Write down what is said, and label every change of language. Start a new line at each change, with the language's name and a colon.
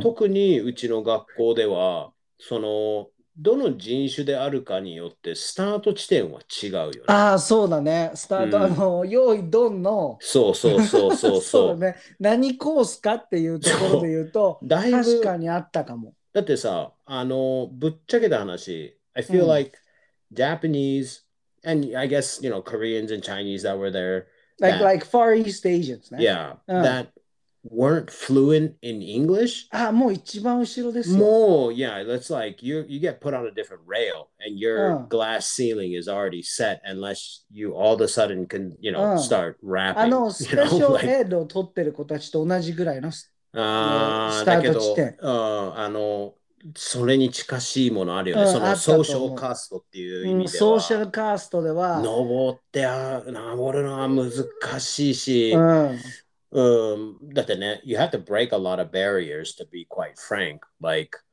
Japanese: 特にうちの学校ではそのどの人種であるかによってスタート地点は違うよね。ああそうだね。スタート、うん、あの用意ドンのそうそうだね。何コースかっていうところで言うとだいぶ確かにあったかも。だってさあのぶっちゃけた話
English: I feel like、うん、Japanese and I guess you know Koreans and Chinese that were there that, like Far East Asians、ね、 yeah、うん、thatweren't fluent in English.
Japanese: Ah, もう一番後ろですよ。
English: もう、yeah, that's like you get put on a different rail and your、glass ceiling is already set unless you all of a sudden can, you know,、start rapping.
Japanese: あの、スペシャルエイドを取ってる子たちと同じぐらいのスタート地点。あの、それに近しいものあるよね。そのソーシャルカーストっていう意味では、ソーシャルカーストでは登るのは難しいし、だってね、
English: you have to break a lot of barriers to be quite frank, like,